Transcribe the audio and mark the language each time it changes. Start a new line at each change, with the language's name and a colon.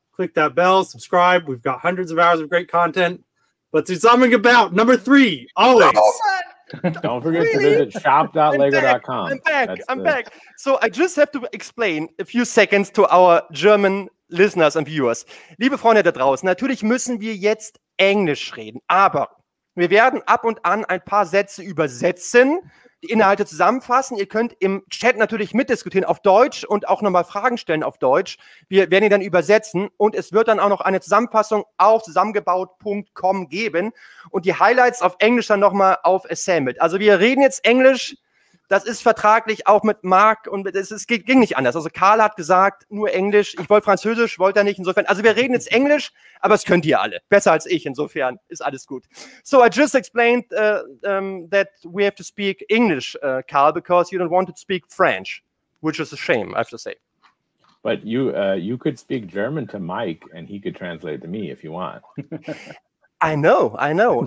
English: Click that bell, subscribe. We've got hundreds of hours of great content. But Zusammengebaut, number three, always. Don't forget to visit shop.lego.com. I'm back. So I just have to explain a few seconds to our German listeners and viewers.
German: Liebe Freunde da draußen, natürlich müssen wir jetzt Englisch reden, aber wir werden ab und an ein paar Sätze übersetzen. Die Inhalte zusammenfassen. Ihr könnt im Chat natürlich mitdiskutieren auf Deutsch und auch nochmal Fragen stellen auf Deutsch. Wir werden ihn dann übersetzen und es wird dann auch noch eine Zusammenfassung auf zusammengebaut.com geben und die Highlights auf Englisch dann nochmal auf Assembled. Also wir reden jetzt Englisch. Das ist vertraglich auch mit Marc und es ging nicht anders. Also Karl hat gesagt, nur Englisch. Ich wollte Französisch, wollte er nicht. Insofern, also wir reden jetzt Englisch, aber es könnt ihr alle. Besser als ich. Insofern ist alles gut.
English: So I just explained that we have to speak English, Karl, because you don't want to speak French, which is a shame, I have to say. But you could speak German to Mike and he could translate to me if you want. I know.